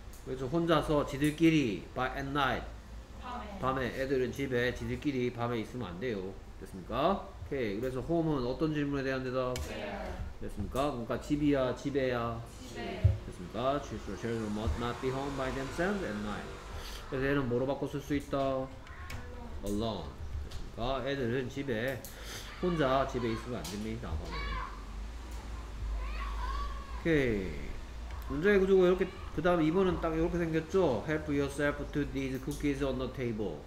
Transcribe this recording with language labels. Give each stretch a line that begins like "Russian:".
Korean: 그래서 혼자서 지들끼리.
English: By at night.
Korean: 밤에. 애들은 집에 지들끼리 밤에 있으면 안 돼요. 됐습니까? 오케이. 그래서 홈은 어떤 질문에 대한 대답?
English: Where?
Korean: 됐습니까? 그러니까 집이야? 집에야? 집에. 됐습니까?
English: Children must not be home by themselves at night.
Korean: 그래서 애는 뭐로 바꿔 쓸 수 있다?
English: Alone.
Korean: 됐습니까? 애들은 집에 혼자 집에 있으면 안 됩니다. 오케이. 문제의 구조가 이렇게 그 다음 2번은 딱 이렇게 생겼죠?
English: Help yourself to these cookies on the table.